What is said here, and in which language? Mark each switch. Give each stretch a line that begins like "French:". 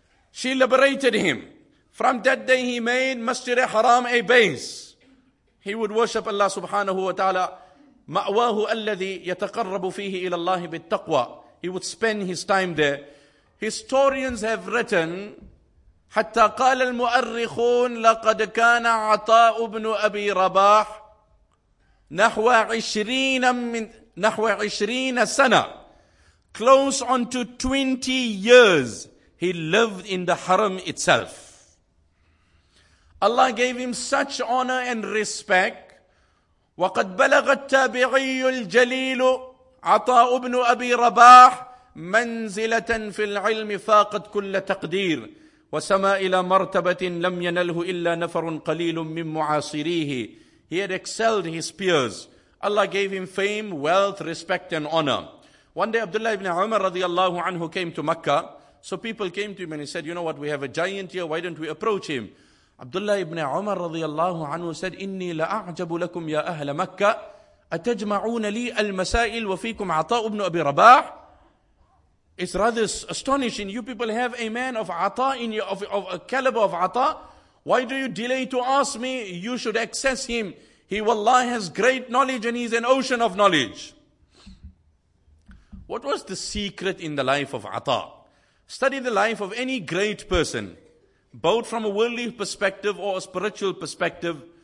English: She liberated him. From that day he made Masjid al-Haram a base. He would worship Allah subhanahu wa ta'ala.
Arabic: مَأْوَاهُ الَّذِي يَتَقَرَّبُ فِيهِ إِلَى اللَّهِ بِالتَّقْوَى.
English: He would spend his time there. Historians have written
Arabic: حتى قال المؤرخون لقد كان عطاء بن أبي رباح نحو 20 من نحو 20 سنة,
English: close on to 20 years he lived in the harem itself. Allah gave him such honor and respect.
Arabic: وقد بلغ التابعي الجليل عطاء بن أبي رباح منزلة في العلم فاقت كل تقدير وسما إلى مرتبة لم ينله إلا نفر قليل من معاصريه.
English: He had excelled his peers. Allah gave him fame, wealth, respect and honor. One day Abdullah ibn Umar radiallahu anhu came to Mecca. So people came to him and he said, you know what, we have a giant here, why don't we approach him? Abdullah ibn Umar radiallahu anhu said,
Arabic: إني لأعجب لكم يا أهل مكة أتجمعون لي المسائل وفيكم عطاء بن أبي رباح.
English: It's rather astonishing. You people have a man of عطاء in your, of a caliber of عطاء. Why do you delay to ask me? You should access him. He wallahi has great knowledge and he's an ocean of knowledge. What was the secret in the life of عطاء? Study the life of any great person, both from a worldly perspective or a spiritual perspective.